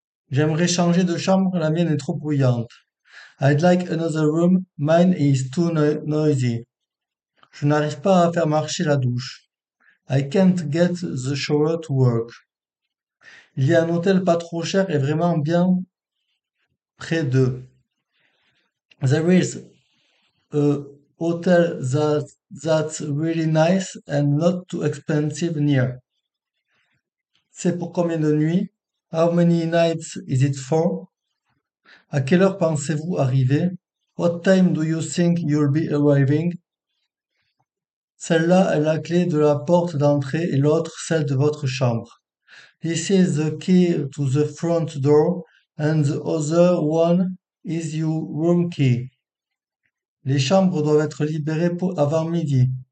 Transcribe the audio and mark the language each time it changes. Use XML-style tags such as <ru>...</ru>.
<fr>J'aimerais changer de chambre, la mienne est trop bruyante.</fr> <en>I'd like another room, mine is too noisy.</en> <fr>Je n'arrive pas à faire marcher la douche.</fr> <en>I can't get the shower to work.</en> <fr>Il y a un hôtel pas trop cher et vraiment bien près d'eux.</fr> <en>There is a hotel that's really nice and not too expensive near.</en> <fr>C'est pour combien de nuits?</fr> <en>How many nights is it for?</en> <fr>À quelle heure pensez-vous arriver?</fr> <en>What time do you think you'll be arriving?</en> <fr>Celle-là est la clé de la porte d'entrée et l'autre celle de votre chambre.</fr> <en>This is the key to the front door and the other one is your room key.</en> <fr>Les chambres doivent être libérées pour avant midi.</fr>